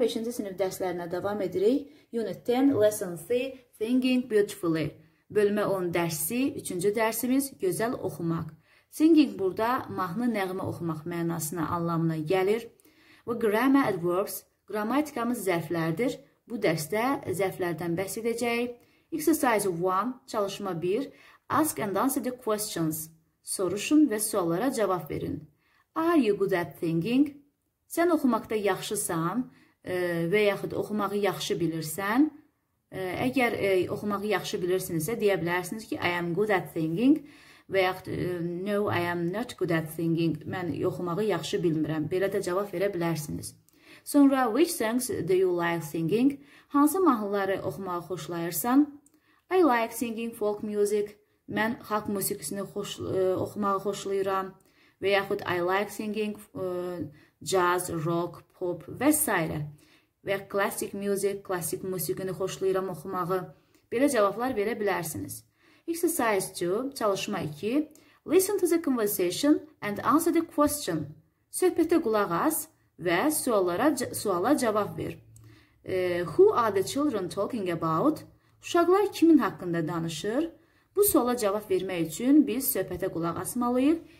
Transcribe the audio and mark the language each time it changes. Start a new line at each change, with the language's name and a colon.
Azerbaijani: 5-ci sinif dərslərinə davam edirik.
English: Unit 10, Lesson 3, Thinking Beautifully.
Azerbaijani: Bölmə 10 dərsi, 3-cü dərsimiz gözəl oxumaq. Thinking burada mahnı nəğmə oxumaq mənasına anlamına gəlir. Bu grammar adverbs, qrammatikamız zərflərdir. Bu dərsdə zərflərdən bəhs edəcəyik.
English: Exercise 1, çalışma 1. Ask and answer the questions.
Azerbaijani: Soruşun və suallara cavab verin.
English: Are you good at thinking?
Azerbaijani: Sən oxumaqda yaxşısan və yaxud oxumağı yaxşı bilirsən. Əgər oxumağı yaxşı bilirsinizsə, deyə bilərsiniz ki,
English: I am good at thinking
Azerbaijani: və yaxud
English: no, I am not good at thinking.
Azerbaijani: Mən oxumağı yaxşı bilmirəm. Belə də cavab verə bilərsiniz.
English: Sonra, which songs do you like singing?
Azerbaijani: Hansı mahnıları oxumağı xoşlayırsan?
English: I like singing folk music.
Azerbaijani: Mən xalq musiqisini oxumağı xoşlayıram. Və yaxud
English: I like singing jazz, rock, pop
Azerbaijani: və s. Və classic music, klasik musiqini xoşlayıram oxumağı. Belə cavablar verə bilərsiniz.
English: Exercise 2, çalışma 2. Listen to the conversation and answer the question.
Azerbaijani: Söhbətə qulaq as və suala cavab ver.
English: Who are the children talking about?
Azerbaijani: Uşaqlar kimin haqqında danışır? Bu suala cavab vermək üçün biz söhbətə qulaq asmalıyıq.